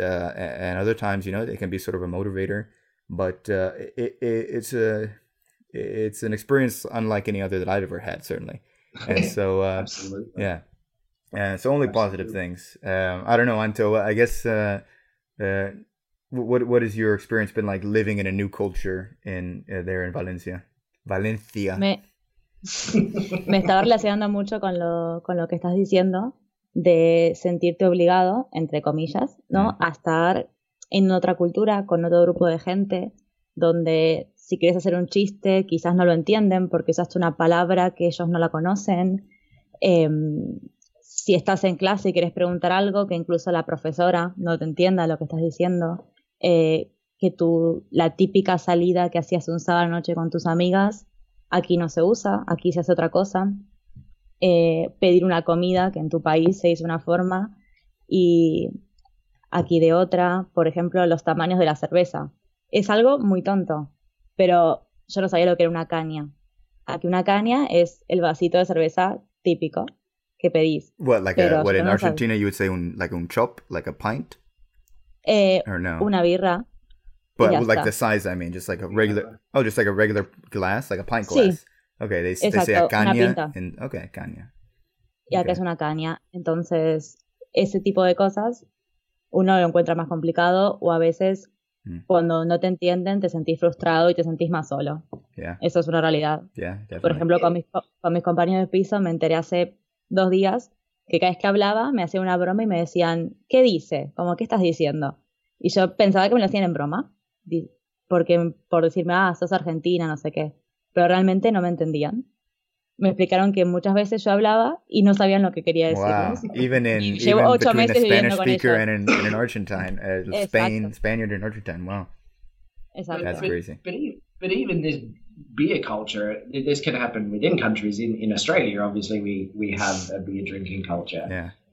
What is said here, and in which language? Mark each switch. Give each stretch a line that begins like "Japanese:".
English: And other times, you know, it can be sort of a motivator, but it's an experience unlike any other that I've ever had, certainly. And so, absolutely. Yeah. And so only absolutely. Positive things. I don't know, Anto, I guess, what has your experience been like living in a new culture in there in Valencia?
Spanish: Valencia. Me estaba relacionando mucho con lo que estás diciendo, de sentirte obligado, entre comillas, ¿no? A estar en otra cultura, con otro grupo de gente, donde si quieres hacer un chiste, quizás no lo entienden porque usaste una palabra que ellos no la conocen. Si estás en clase y quieres preguntar algo, que incluso la profesora no te entienda lo que estás diciendo. Que la típica salida que hacías un sábado a la noche con tus amigas, aquí no se usa, aquí se hace otra cosa. Pedir una comida, que en tu país se hizo una forma, y aquí de otra. Por ejemplo, los tamaños de la cerveza. Es algo muy tonto, pero yo no sabía lo que era una caña. Aquí una caña es el vasito de cerveza típico que pedís.
English: What in Argentina you would say like a chop, like a pint? Or no.
Spanish: Una birra.
English: But like the size, I mean, just like a regular, just like a regular glass, like a pint glass. Sí. Okay, they say a caña. And, okay, caña.
Spanish: Y acá es una caña. Entonces, ese tipo de cosas uno lo encuentra más complicado, o a veces cuando no te entienden, te sentís frustrado y te sentís más solo.
English: Yeah.
Spanish: Eso es una realidad.
English: Yeah,
Spanish: por ejemplo, con mis compañeros de piso, me enteré hace 2 días que cada vez que hablaba me hacían una broma y me decían, ¿qué dice? Como, ¿qué estás diciendo? Y yo pensaba que me lo hacían en broma, porque por decirme, sos argentina, no sé qué. Pero realmente no me entendían. Me explicaron que muchas veces yo hablaba y no sabían lo que quería decir.
English: Wow. Even 8 meses a Spanish speaker and an Argentine, Spaniard and Argentine. Wow. Exactly. That's crazy. But even this beer culture, this can happen within countries. In Australia, obviously, we have a beer drinking culture. Yeah.